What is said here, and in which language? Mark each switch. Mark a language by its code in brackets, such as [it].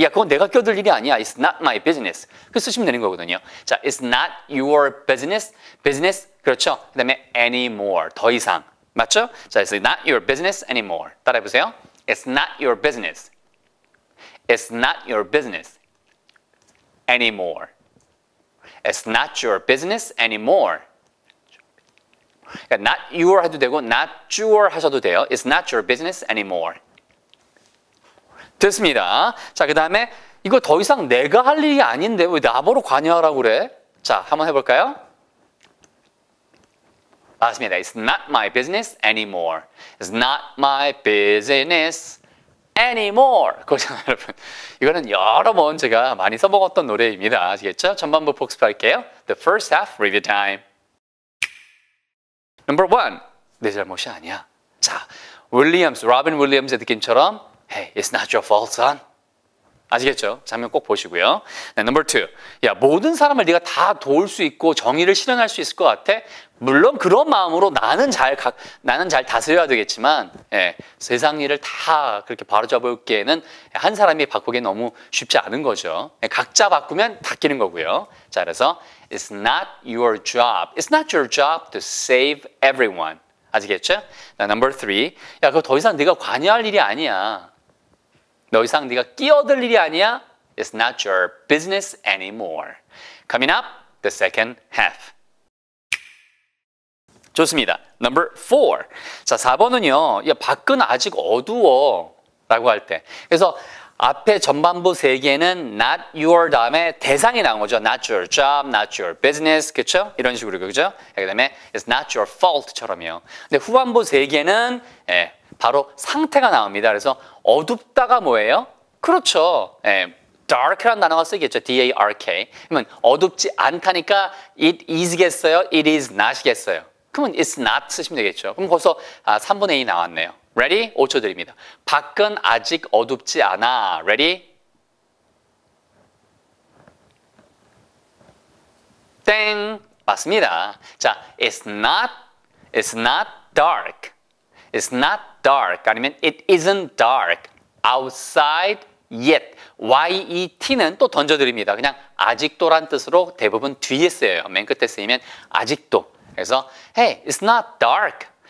[ko] 야, 그건 내가 껴들 일이 아니야. [en] It's not my business. [ko] 그 쓰시면 되는 거거든요. 자, [en] It's not your business. [ko] Business, 그렇죠. 그 다음에 anymore, 더 이상. 맞죠? [en] 자, It's not your business anymore. [ko] 따라해보세요. [en] It's not your business. It's not your business anymore. It's not your business anymore. [ko] 그러니까 not your 해도 되고 not your 하셔도 돼요. [en] It's not your business anymore. [ko] 됐습니다. 자, 그 다음에 이거 더 이상 내가 할 일이 아닌데 왜 나보러 관여하라고 그래? 자, 한번 해볼까요? 맞습니다. [en] It's not my business anymore. It's not my business anymore. [ko] 그렇잖아요, 여러분. 이거는 여러 번 제가 많이 써먹었던 노래입니다. 아시겠죠? 전반부 복습할게요. [en] The first half review time. Number one. [ko] 내 잘못이 아니야. 자, 윌리엄스, 로빈 윌리엄스의 느낌처럼 [en] Hey, it's not your fault, son. [ko] 아시겠죠? 장면 꼭 보시고요. 네, [en] number two. [ko] 야, 모든 사람을 네가 다 도울 수 있고 정의를 실현할 수 있을 것 같아? 물론 그런 마음으로 나는 잘 다스려야 되겠지만 예, 세상 일을 다 그렇게 바로잡을기에는 한 사람이 바꾸기 너무 쉽지 않은 거죠. 예, 각자 바꾸면 바뀌는 거고요. 자, 그래서 [en] It's not your job. It's not your job to save everyone. [ko] 아시겠죠? [en] Number three. [ko] 야, 그거 더 이상 네가 관여할 일이 아니야. 더 이상 네가 끼어들 일이 아니야. [en] It's not your business anymore. Coming up, the second half. [ko] 좋습니다. [en] Number four. [ko] 자, 4번은요. 야, 밖은 아직 어두워 라고 할 때. 그래서 앞에 전반부 세 개는 not your 다음에 대상이 나온 거죠. [en] Not your job, not your business. [ko] 그렇죠? 이런 식으로 그죠? 그 다음에 it's not your fault처럼요. 근데 후반부 세 개는 예, 바로 상태가 나옵니다. 그래서 어둡다가 뭐예요? 그렇죠. 예, dark라는 단어가 쓰이겠죠. [en] D-A-R-K. [ko] 그러면 어둡지 않다니까 it is겠어요? [en] It is not겠어요? [ko] 그러면 it's not 쓰시면 되겠죠. 그럼 거기서 아, 3분의 2 나왔네요. [en] Ready? [ko] 5초 드립니다. 밖은 아직 어둡지 않아. Ready? 땡! 맞습니다. 자, [en] it's not dark. It's not dark. 아니면 it isn't dark. Outside yet. [ko] Y-E-T는 또 던져드립니다. 그냥 아직도란 뜻으로 대부분 뒤에 쓰여요. 맨 끝에 쓰이면 아직도. [en] 그래서 hey, it's not dark.